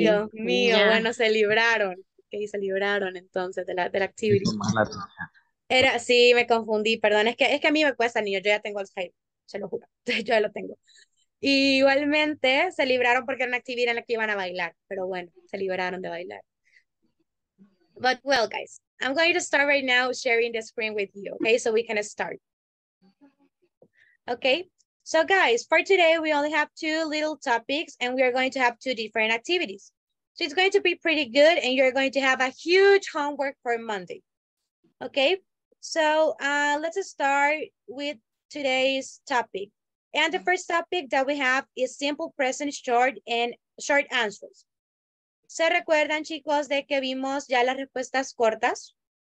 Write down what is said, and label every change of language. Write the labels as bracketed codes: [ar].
[es] Dios mío, bueno, se libraron. Okay, se libraron entonces de la activity. Era, sí, me confundí, perdón. Es que a mí me cuesta, niño. Yo ya tengo Alzheimer, se lo juro. Yo ya lo tengo. Y igualmente se libraron porque era una actividad en la que iban a bailar. Pero bueno, se libraron de bailar. [en] But well, guys. I'm going to start right now sharing the screen with you, okay? So we can start. Okay, so guys, for today, we only have two little topics and we are going to have two different activities. So it's going to be pretty good and you're going to have a huge homework for Monday, okay? So let's start with today's topic. And the first topic that we have is simple present short and short answers. [es] ¿Se recuerdan, chicos, de que vimos ya las respuestas cortas?